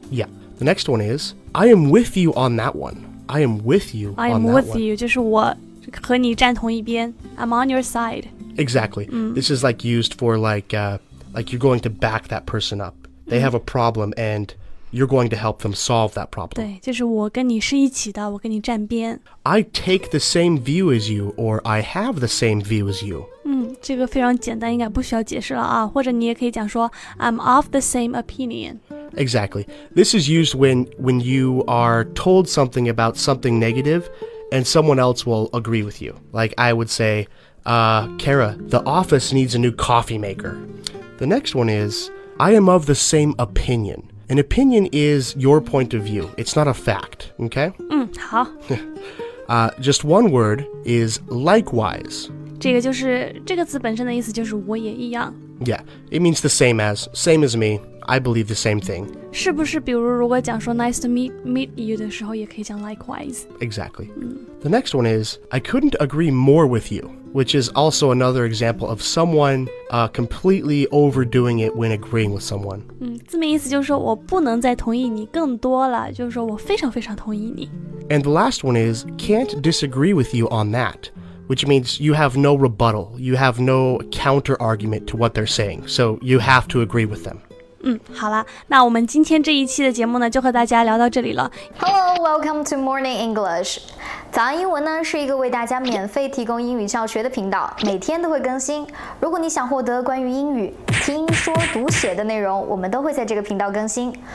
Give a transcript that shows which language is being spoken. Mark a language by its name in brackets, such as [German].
[English] Yeah, the next one is I am with you on that one I am with you on that one I am with you [Chinese] 就是我和你站同一边 [English] I'm on your side Exactly、This is like used for like you're going to back that person up They have a problem andYou're going to help them solve that problem. [Chinese] 对，就是我跟你是一起的，我跟你站边。 [English] I take the same view as you, or I have the same view as you. [Chinese] 这个非常简单，应该不需要解释了啊。或者你也可以讲说 [English] I'm of the same opinion. Exactly. This is used when you are told something about something negative, and someone else will agree with you. Like I would say, Kara, the office needs a new coffee maker. The next one is, I am of the same opinion. An opinion is your point of view. It's not a fact, okay? [Chinese] 好。 [English] just one word is likewise. [Chinese] 这个就是这个字本身的意思就是我也一样。 [English] Yeah, it means the same as me. I believe the same thing. [Chinese] 是不是比如如果讲说 [English] nice to meet you [Chinese] 的时候也可以讲 likewise? [English] Exactly. The next one is, I couldn't agree more with you, which is also another example of someone completely overdoing it when agreeing with someone. 字面意思就是说我不能再同意你更多了就是说我非常非常同意你。 And the last one is, can't disagree with you on that. Which means you have no rebuttal, you have no counter argument to what they're saying, so you have to agree with them. [Chinese] 好了，那我们今天这一期的节目呢，就和大家聊到这里了。 [English] Hello, welcome to Morning English. [Chinese] 早安英文呢，是一个为大家免费提供英语教学的频道，每天都会更新。如果你想获得关于英语听说读写的内容，我们都会在这个频道更新。